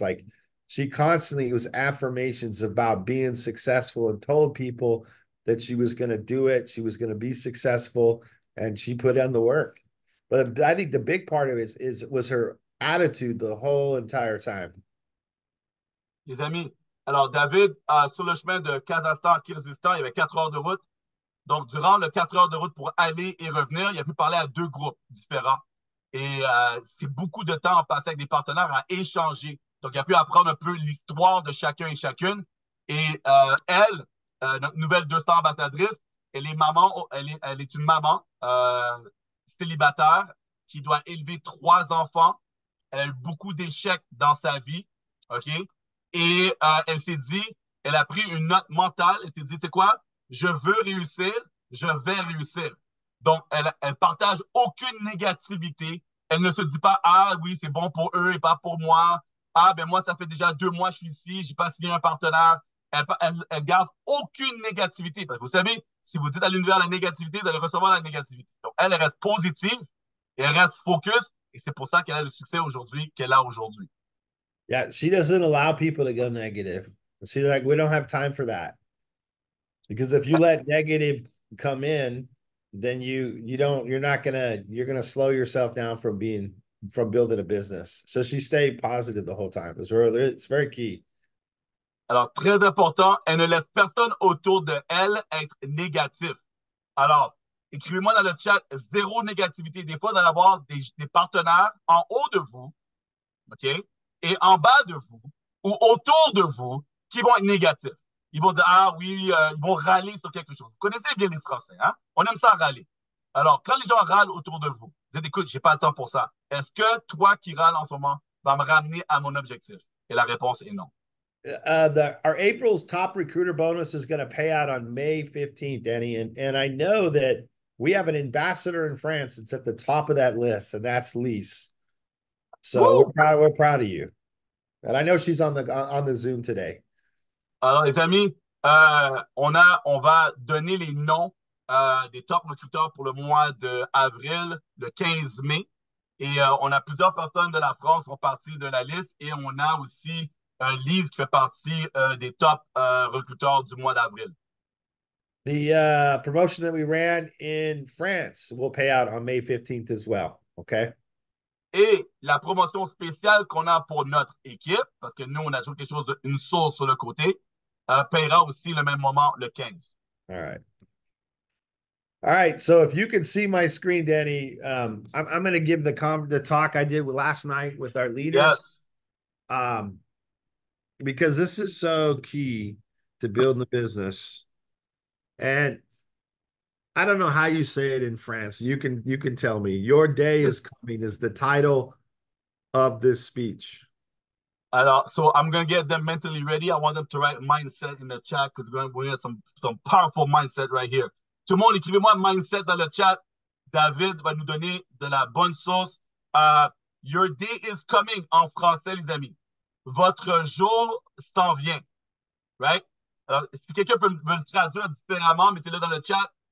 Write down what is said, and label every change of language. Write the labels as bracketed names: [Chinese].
[English] Like, she constantly, it was affirmations about being successful and told people that she was going to do it. She was going to be successful and she put in the work. But I think the big part of it was her attitude the whole entire time. [French] Les amis, alors David, sur le chemin de Kazakhstan à Kyrgyzstan, il y avait 4 heures de route. Donc, durant le 4 heures de route pour aller et revenir, il a pu parler à 2 groupes différents. Et c'est beaucoup de temps passé avec des partenaires à échanger. Donc, il a pu apprendre un peu l'histoire de chacun et chacune. Et elle, notre nouvelle 200 ambassadrice, elle est une maman célibataire qui doit élever 3 enfants. Elle a eu beaucoup d'échecs dans sa vie, OK? Et elle s'est dit, elle a pris une note mentale. Elle s'est dit, tu sais quoi? Je veux réussir, je vais réussir. Donc, elle partage aucune négativité. Elle ne se dit pas, ah oui, c'est bon pour eux et pas pour moi. Ah, ben moi, ça fait déjà 2 mois que je suis ici, je n'ai pas signé un partenaire. Elle garde aucune négativité. Parce que vous savez, si vous dites à l'univers la négativité, vous allez recevoir la négativité. Donc, elle reste positive et elle reste focus. Et c'est pour ça qu'elle a le succès aujourd'hui qu'elle a aujourd'hui. [English] Yeah, she doesn't allow people to go negative. She's like, we don't have time for that. Because if you let negative come in, then you're not gonna slow yourself down from building a business. So she stayed positive the whole time. It's very key. [French] Alors, très important, elle ne laisse personne autour de elle être négatif. Alors, écrivez-moi dans le chat, zéro négativité. Des fois, d'aller avoir des partenaires en haut de vous, OK, et en bas de vous, ou autour de vous, qui vont être négatifs. Ils vont dire, ah oui, ils vont râler sur quelque chose. Vous connaissez bien les Français, hein? On aime ça râler. Alors, quand les gens râlent autour de vous, vous dites, écoute, j'ai pas le temps pour ça. Est-ce que toi qui râles en ce moment va me ramener à mon objectif? Et la réponse est non. [English] Our April's top recruiter bonus is going to pay out on May 15th, Danny. And I know that we have an ambassador in France that's at the top of that list, and that's Lise. So we're proud of you. And I know she's on the Zoom today. [French] Alors, les amis, on va donner les noms des top recruteurs pour le mois d'avril, le 15 mai. Et on a plusieurs personnes de la France qui font partie de la liste. Et on a aussi Lise qui fait partie des top recruteurs du mois d'avril. [English] The promotion that we ran in France will pay out on May 15th as well. Okay. [French] Et la promotion spéciale qu'on a pour notre équipe, parce que nous, on a toujours quelque chose d'une sauce sur le côté, payera aussi le même moment, le 15. [English] All right. All right. So if you can see my screen, Danny, I'm going to give the talk I did last night with our leaders. Yes. Because this is so key to building the business. And I don't know how you say it in France. You can tell me. Your day is coming is the title of this speech. So I'm going to get them mentally ready. I want them to write mindset in the chat because we're going to have some powerful mindset right here. [French] Tout le monde, écrivez-moi mindset dans le chat. David va nous donner de la bonne sauce. [English] Your day is coming [French] en français, les amis. Votre jour s'en vient. Right? Alors, si quelqu'un peut me traduire différemment, mettez-le dans le chat.